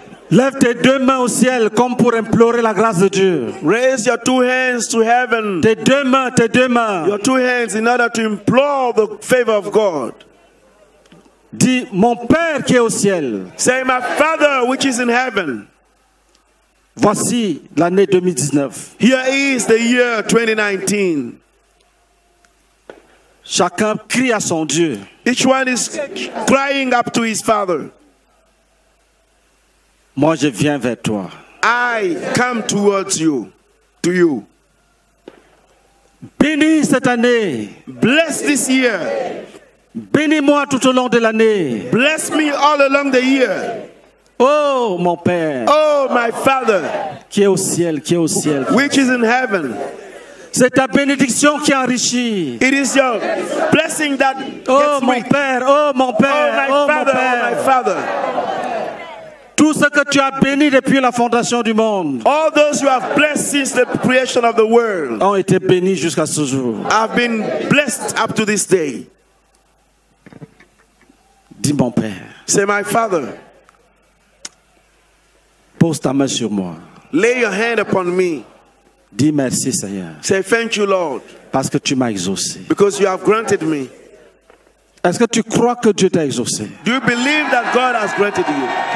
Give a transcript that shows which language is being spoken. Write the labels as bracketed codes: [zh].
[fr] Lève tes deux mains au ciel comme pour implorer la grâce de Dieu. [en] Raise your two hands to heaven. [fr] Tes deux mains. [en] Your two hands in order to implore the favor of God. [fr] Dis mon Père qui est au ciel. [en] Say my Father which is in heaven. [fr] Voici l'année 2019. [en] Here is the year 2019. [fr] Chacun crie à son Dieu. [en] Each one is crying up to his Father. [fr] Moi, je viens vers toi. [en] I come towards you, to you. [fr] Bénis cette année. [en] Bless this year. [fr] Bénis-moi tout au long de l'année. [en] Bless me all along the year. [fr] Oh, mon Père. [en] Oh, my Father. [fr] Qui est au ciel, qui est au ciel. [en] Which is in heaven. [fr] C'est ta bénédiction qui enrichit. [en] It is your blessing that oh, gets [fr] mon [en] weak. [fr] Père, oh, mon Père. [en] Oh, my Father. [fr] Mon Père. [en] Oh, my Father. [fr] Tout ce que tu as béni depuis la fondation du monde. [en] All those you have blessed since the creation of the world. [fr] Ont été bénis jusqu'à ce jour. [en] I've been blessed up to this day. [fr] Dis mon Père. [en] Say my Father. [fr] Pose ta main sur moi. [en] Lay your hand upon me. [fr] Dis merci Seigneur. [en] Say thank you Lord. [fr] Parce que tu m'as exaucé. [en] Because you have granted me. [fr] Est-ce que tu crois que Dieu t'a exaucé? [en] Do you believe that God has granted you?